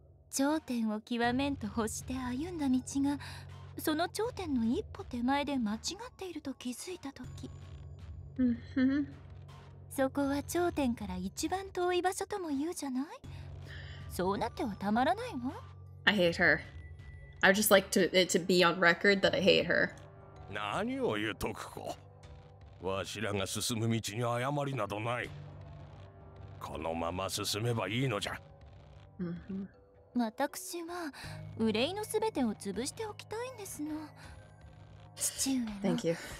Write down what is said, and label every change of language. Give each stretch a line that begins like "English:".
Japanese: 頂点を極めんと欲して歩んだ道が、その頂点の一歩手前で間違っていると気づいたとき。そこは頂点から一番遠い場所とも言うじゃない？そうなってはたまらないわ。
English: I hate her. I would just like to, it to be on record that I hate her.
Japanese: 何を言うとくこ。わしらが進む道に誤りなどない。このまま進めばいいのじゃ。私は憂いのすべてを潰しておきたいんですの。父上は、
English: Thank you.